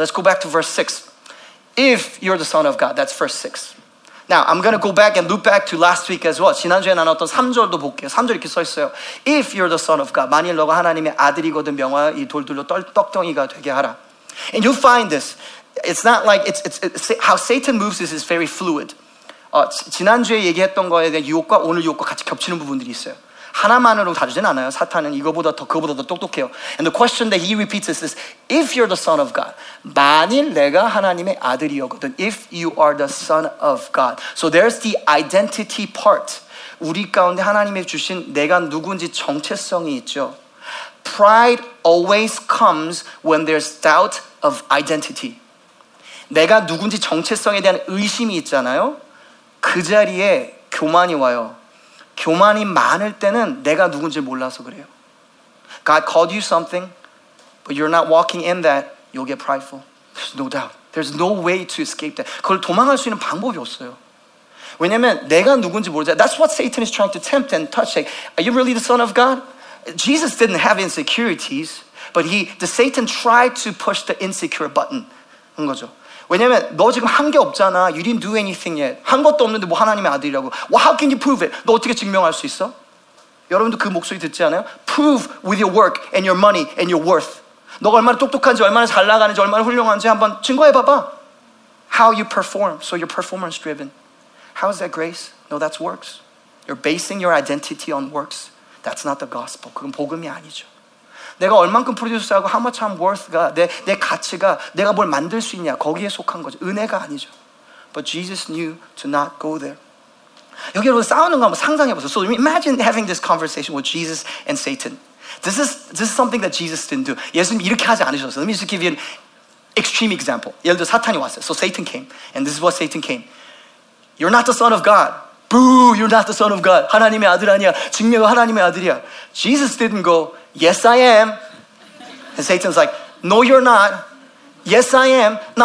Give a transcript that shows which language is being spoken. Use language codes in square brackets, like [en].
[en] Let's go back to verse 6. If you're the son of God, that's verse 6. Now, I'm going to go back and loop back to last week as well. [ko] 지난주에 나눴던 3절도 볼게요. 3절 이렇게 써 있어요. [en] If you're the son of God, [ko] 만일 너가 하나님의 아들이거든 명하여 이 돌들로 떡덩이가 되게 하라. [en] And you'll find this. It's not like, it's how Satan moves this is very fluid. [ko] 지난주에 얘기했던 거에 대한 유혹과 오늘 유혹과 같이 겹치는 부분들이 있어요. 하나만으로 다루진 않아요. 사탄은 이거보다 더 그거보다 더 똑똑해요. [en] And the question that he repeats is this. If you're the son of God, [ko] 만일 내가 하나님의 아들이었거든. [en] If you are the son of God. So there's the identity part. [ko] 우리 가운데 하나님이 주신 내가 누군지 정체성이 있죠. [en] Pride always comes when there's doubt of identity. [ko] 내가 누군지 정체성에 대한 의심이 있잖아요. 그 자리에 교만이 와요. 교만이 많을 때는 내가 누군지 몰라서 그래요. [en] God called you something, but you're not walking in that, you'll get prideful. There's no doubt. There's no way to escape that. [ko] 그걸 도망할 수 있는 방법이 없어요. 왜냐면 내가 누군지 모르죠. [en] That's what Satan is trying to tempt and touch. Like, are you really the son of God? Jesus didn't have insecurities, but Satan tried to push the insecure button. [ko] 한 거죠. 왜냐면 너 지금 한 게 없잖아. [en] You didn't do anything yet. [ko] 한 것도 없는데 뭐 하나님의 아들이라고. [en] Well, how can you prove it? [ko] 너 어떻게 증명할 수 있어? 여러분도 그 목소리 듣지 않아요? [en] Prove with your work and your money and your worth. [ko] 너가 얼마나 똑똑한지, 얼마나 잘 나가는지, 얼마나 훌륭한지 한번 증거해봐봐. [en] How you perform. So you're performance driven. How is that grace? No, that's works. You're basing your identity on works. That's not the gospel. [ko] 그건 복음이 아니죠. 내가 얼만큼 프로듀스하고 [en] how much I'm worth [ko] 가 내 가치가 내가 뭘 만들 수 있냐 거기에 속한 거죠. 은혜가 아니죠. [en] But Jesus knew to not go there. [ko] 여기 여러분 싸우는 거 한번 상상해보세요. [en] So imagine having this conversation with Jesus and Satan. This is something that Jesus didn't do. [ko] 예수님 이렇게 하지 않으셨어요. [en] Let me just give you an extreme example. [ko] 예를 들어 사탄이 왔어요. [en] So Satan came. And this is what Satan came. You're not the son of God. Boo, you're not the son of God. [ko] 하나님의 아들 아니야. 증명 하나님의 아들이야. [en] Jesus didn't go, yes, I am. And Satan's like, no, you're not. Yes, I am.